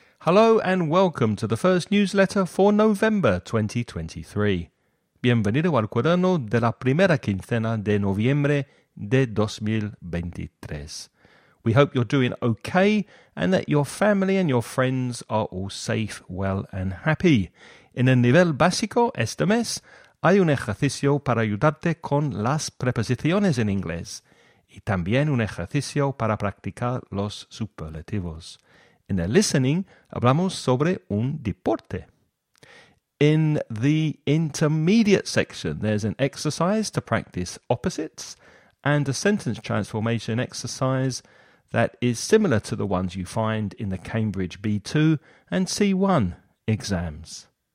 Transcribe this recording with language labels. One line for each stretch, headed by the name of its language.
English: Hello and welcome to the first newsletter for November 2023.
Spanish: Bienvenido al cuaderno de la primera quincena de noviembre de 2023.
English: We hope you're doing okay and that your family and your friends are all safe, well and happy.
Spanish: En el nivel básico este mes hay un ejercicio para ayudarte con las preposiciones en inglés y también un ejercicio para practicar los superlativos.
English: In the listening,
Spanish: hablamos sobre un deporte.
English: In the intermediate section, there's an exercise to practice opposites and a sentence transformation exercise that is similar to the ones you find in the Cambridge B2 and C1 exams.